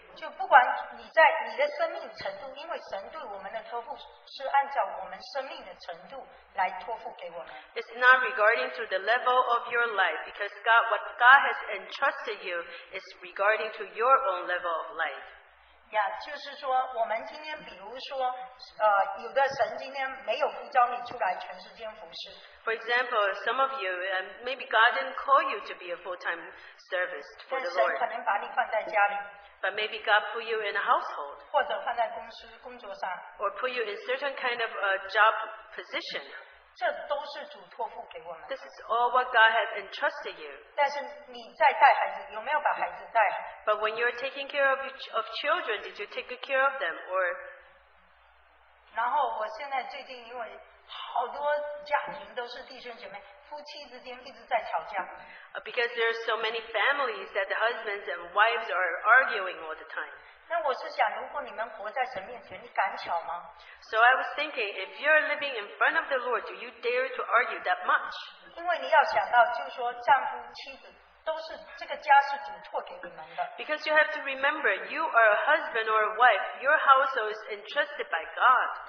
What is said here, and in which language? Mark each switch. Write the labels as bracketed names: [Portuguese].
[English] It's not regarding to the level of your life, because God, what God has entrusted you is regarding to your own level of life. [Chinese] Yeah, 就是说我们今天比如说, 有的神今天没有呼召你出来全时间服侍, [English] for example, some of you, maybe God didn't call you to be a full-time servant for the Lord. [Chinese] 但神可能把你放在家里, [English] but maybe God put you in a household, [Chinese] 或者放在公司, 工作上, [English] or put you in certain kind of a job position. [Chinese] 这都是主托付给我们, [English] this is all what God has entrusted you. [Chinese] 但是你在带孩子, 有没有把孩子带, [English] but when you're taking care of children, did you take care of them? Or [Chinese] 现在最近因为好多家庭都是弟兄姐妹夫妻之间一直在吵架。 [English] Because there are so many families that the husbands and wives are arguing all the time. [Chinese] 那我是想，如果你们活在神面前，你敢吵吗？ [English] So I was thinking, if you're living in front of the Lord, do you dare to argue that much? [Chinese] 因为你要想到，就是说丈夫妻子。 [English] Because you have to remember, you are a husband or a wife, your household is entrusted by God.